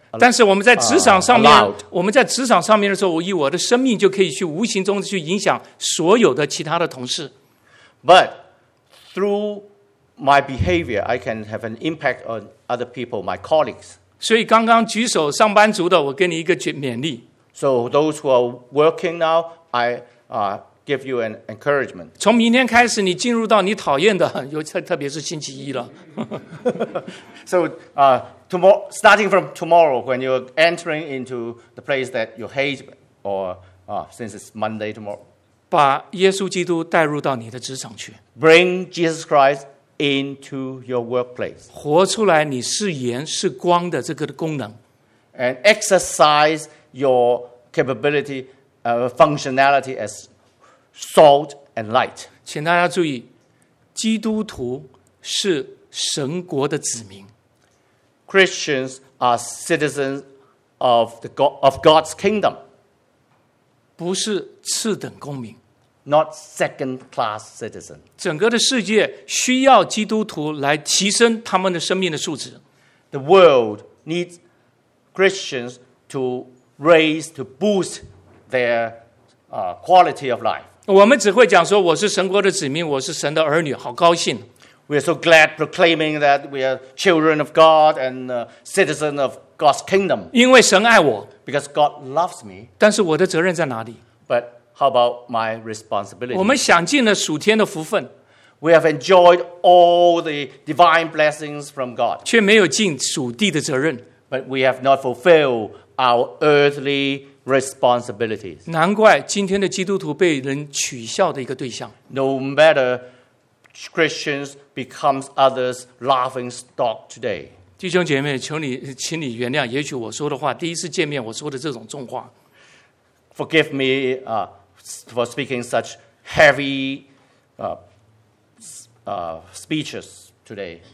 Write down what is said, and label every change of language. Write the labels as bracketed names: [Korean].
[Chinese] 但是我们在职场上面，我们在职场上面的时候，我以我的生命就可以去无形中去影响所有的其他的同事。 [English] But through my behavior, I can have an impact on other people, my colleagues. [Chinese] 所以刚刚举手上班族的，我给你一个勉励。 [English] So those who are working now, I give you an encouragement. [Chinese] 从明天开始，你进入到你讨厌的，特别是星期一了。 [English] So starting from tomorrow, when you're entering into the place that you hate, or since it's Monday tomorrow, [Chinese] 把耶稣基督带入到你的职场去。 [English] Bring Jesus Christ into your workplace. [Chinese] 活出来你是盐是光的这个的功能。 [English] And exercise your capability, functionality as salt and light. [Chinese] 请大家注意，基督徒是神国的子民。 [English] Christians are citizens of God's kingdom. [Chinese] 不是次等公民。 [English] Not second class citizen. [Chinese] 整个的世界需要基督徒来提升他们的生命的素质。 [English] The world needs Christians to boost their quality of life. [Chinese] 我们只会讲说我是神国的子民，我是神的儿女，好高兴。 [English] We are so glad proclaiming that we are children of God and citizens of God's kingdom. [Chinese] 因为神爱我。 [English] Because God loves me. [Chinese] 但是我的责任在哪里？ [English] But how about my responsibility? [Chinese] 我们享尽了属天的福分。 [English] We have enjoyed all the divine blessings from God. [Chinese] 却没有尽属地的责任。 [English] But we have not fulfilled our earthly responsibilities. [Chinese] 难怪今天的基督徒被人取笑的一个对象。 [English] No matter... Christians becomes others laughing stock today. [Chinese] 弟兄姐妹，求你，请你原谅，也许我说的话，第一次见面我说的这种重话。 [English] Forgive me, for speaking such heavy, speeches today.